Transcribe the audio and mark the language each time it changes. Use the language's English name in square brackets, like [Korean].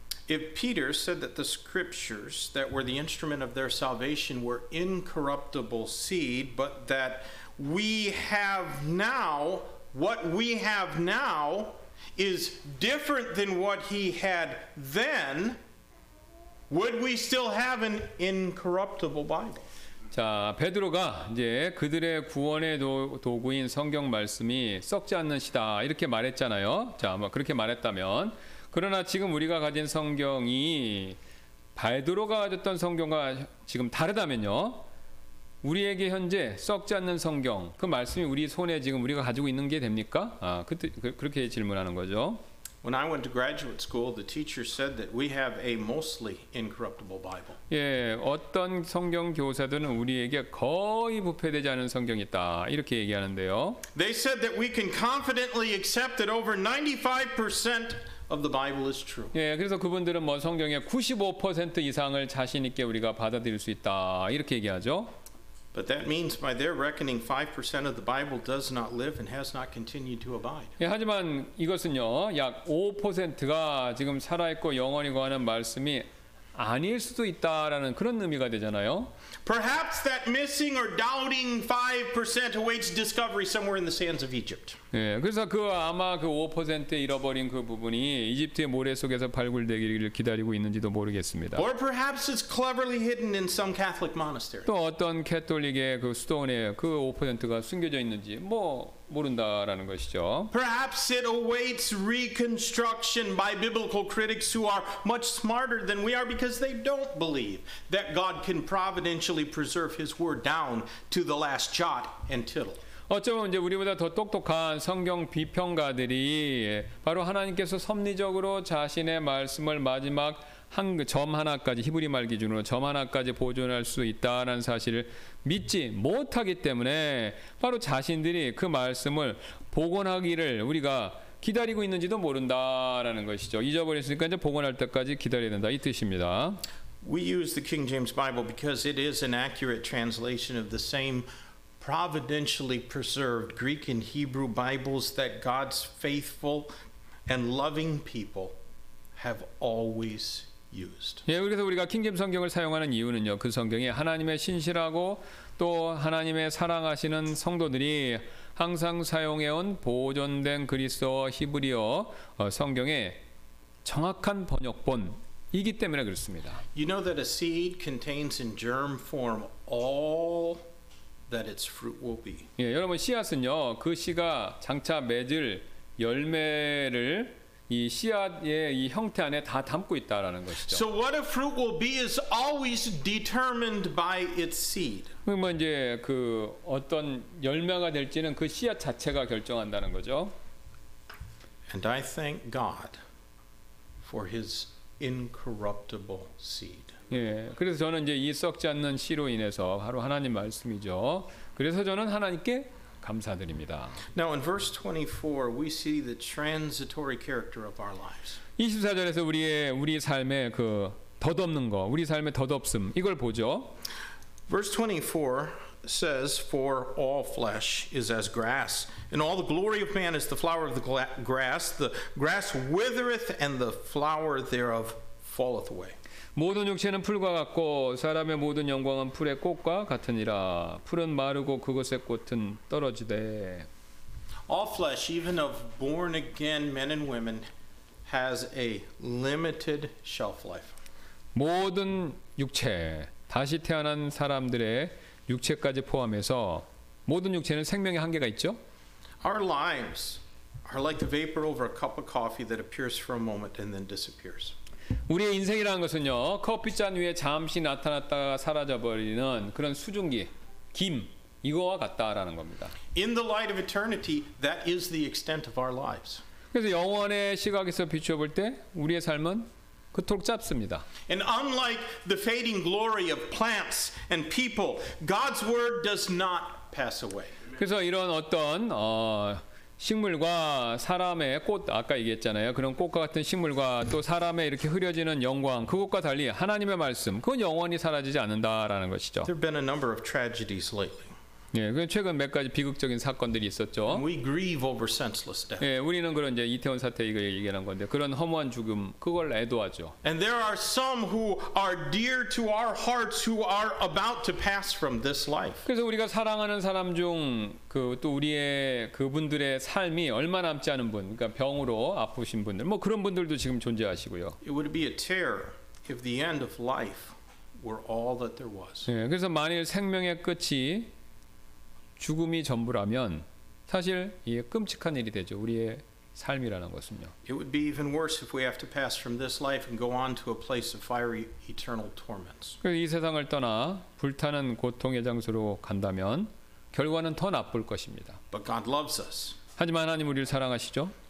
[English] If Peter said that the scriptures that were the instrument of their salvation were incorruptible seed, but that we have now what we have now is different than what he had then, would we still have an incorruptible Bible? [Korean] 자, 베드로가 이제 그들의 구원의 도구인 성경 말씀이 썩지 않는 시다 이렇게 말했잖아요. 자, 뭐 그렇게 말했다면 그러나 지금 우리가 가진 성경이 베드로가 가졌던 성경과 지금 다르다면요. 우리에게 현재 썩지 않는 성경 그 말씀이 우리 손에 지금 우리가 가지고 있는 게 됩니까? 아, 그렇게 질문하는 거죠. [English] When I went to graduate school, the teacher said that we have a mostly incorruptible Bible. [Korean] 예, 어떤 성경 교사들은 우리에게 거의 부패되지 않은 성경이 있다 이렇게 얘기하는데요. [English] They said that we can confidently accept that over 95% of the Bible is true. [Korean] 예, 그래서 그분들은 뭐 성경의 95% 이상을 자신 있게 우리가 받아들일 수 있다 이렇게 얘기하죠. [English] But that means by their reckoning 5% of the Bible does not live and has not continued to abide. [Korean] 예, 하지만 이것은요. 약 5%가 지금 살아 있고 영원히 거하는 말씀이 아닐 수도 있다라는 그런 의미가 되잖아요. [English] Perhaps that missing or doubting 5% awaits discovery somewhere in the sands of Egypt. [Korean] 그래서 그 아마 그 5% 잃어버린 그 부분이 이집트의 모래 속에서 발굴되기를 기다리고 있는지도 모르겠습니다. [English] Or perhaps it's cleverly hidden in some Catholic monastery. [Korean] 또 어떤 캐톨릭의 그 수도원에 그 5%가 숨겨져 있는지 뭐 모른다라는 것이죠. [English] Perhaps it awaits reconstruction by biblical critics who are much smarter than we are because they don't believe that God can providentially preserve his word down to the last jot and tittle. [Korean] 어쩌면 이제 우리보다 더 똑똑한 성경 비평가들이 바로 하나님께서 섭리적으로 자신의 말씀을 마지막 한 점 하나까지 히브리 말 기준으로 점 하나까지 보존할 수 있다라는 사실을 믿지 못하기 때문에 바로 자신들이 그 말씀을 복원하기를 우리가 기다리고 있는지도 모른다라는 것이죠. 잊어버렸으니까 이제 복원할 때까지 기다려야 된다 이 뜻입니다. [English] We use the King James Bible because it is an accurate translation of the same providentially preserved Greek and Hebrew Bibles that God's faithful and loving people have always used. [Korean] 예, 그래서 우리가 킹제임스 성경을 사용하는 이유는요. 그 성경이 하나님의 신실하고 또 하나님의 사랑하시는 성도들이 항상 사용해 온 보존된 그리스어 히브리어 성경의 정확한 번역본이기 때문에 그렇습니다. [English] You know that a seed contains in germ form all that its fruit will be. [Korean] 예, 여러분 씨앗은요. 그 씨가 장차 맺을 열매를 이 씨앗의 이 형태 안에 다 담고 있다라는 것이죠. [English] So what a fruit will be is always determined by its seed. [Korean] 그러면 이제 그 어떤 열매가 될지는 그 씨앗 자체가 결정한다는 거죠. [English] And I thank God for his incorruptible seed. [Korean] 예, 그래서 저는 이제 이 썩지 않는 씨로 인해서 바로 하나님 말씀이죠. 그래서 저는 하나님께 감사드립니다. [English] Now in verse 24, we see the transitory character of our lives. [Korean] 24절에서 우리 삶의 그 덧없는 거, 우리 삶의 덧없음 이걸 보죠. [English] Verse 24 says, "For all flesh is as grass, and all the glory of man is the flower of the grass. The grass withereth, and the flower thereof falleth away." [Korean] 모든 육체는 풀과 같고 사람의 모든 영광은 풀의 꽃과 같으니라 풀은 마르고 그것의 꽃은 떨어지되 [English] All flesh, even of born again men and women, has a limited shelf life. [Korean] 모든 육체, 다시 태어난 사람들의 육체까지 포함해서 모든 육체는 생명의 한계가 있죠. [English] Our lives are like the vapor over a cup of coffee that appears for a moment and then disappears. [Korean] 우리의 인생이라는 것은요 커피잔 위에 잠시 나타났다가 사라져버리는 그런 수증기, 김 이거와 같다라는 겁니다. [English] In the light of eternity, that is the extent of our lives. [Korean] 그래서 영원의 시각에서 비추어볼 때 우리의 삶은 그토록 짧습니다. [English] And unlike the fading glory of plants and people, God's word does not pass away. [Korean] 그래서 이런 어떤 식물과 사람의 꽃 아까 얘기했잖아요. 그런 꽃과 같은 식물과 또 사람의 이렇게 흐려지는 영광 그것과 달리 하나님의 말씀 그건 영원히 사라지지 않는다라는 것이죠. [English] There have been a number of tragedies lately. [Korean] 예, 최근 몇 가지 비극적인 사건들이 있었죠. [English] And we grieve over senseless death. [Korean] 예, 우리는 그런 이제 이태원 사태 이거 얘기하는 건데 그런 허무한 죽음 그걸 애도하죠. [English] And there are some who are dear to our hearts who are about to pass from this life. [Korean] 그래서 우리가 사랑하는 사람 중 그 또 우리의 그분들의 삶이 얼마 남지 않은 분, 그러니까 병으로 아프신 분들, 뭐 그런 분들도 지금 존재하시고요. [English] It would be a terror if the end of life were all that there was. [Korean] 예, 그래서 만일 생명의 끝이 죽음이 전부라면 사실 이게 끔찍한 일이 되죠. 우리의 삶이라는 것은요. [English] It would be even worse if we have to pass from this life and go on to a place of fiery eternal torments. [Korean] 이 세상을 떠나 불타는 고통의 장소로 간다면 결과는 더 나쁠 것입니다. [English] But God loves us. [Korean] 하지만 하나님 우리를 사랑하시죠?